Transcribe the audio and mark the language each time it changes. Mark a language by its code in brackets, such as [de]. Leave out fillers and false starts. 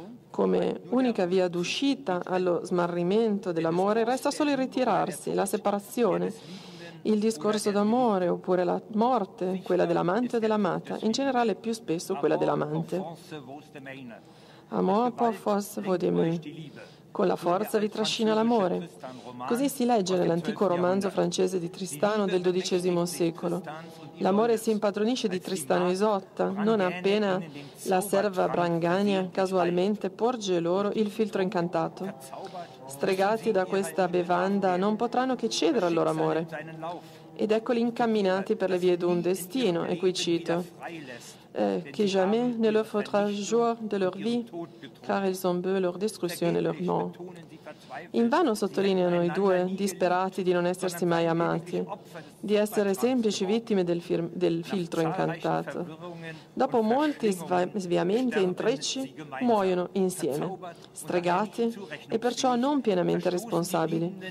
[it] Come unica via d'uscita allo smarrimento dell'amore resta solo il ritirarsi, la separazione, il discorso d'amore oppure la morte, quella dell'amante o dell'amata, in generale più spesso quella dell'amante. [fr] Amor pour force vaut de main. [it] Con la forza vi trascina l'amore. Così si legge nell'antico romanzo francese di Tristano del XII secolo. L'amore si impadronisce di Tristano e Isotta non appena la serva Brangania casualmente porge loro il filtro incantato. Stregati da questa bevanda non potranno che cedere al loro amore. Ed eccoli incamminati per le vie d'un destino, e qui cito: [fr] che jamais ne leur faudra jour de leur vie, car ils ont beau leur destruction et leur mort. [it] Invano sottolineano i due disperati di non essersi mai amati, di essere semplici vittime del filtro incantato. Dopo molti sviamenti e intrecci, muoiono insieme, stregati e perciò non pienamente responsabili.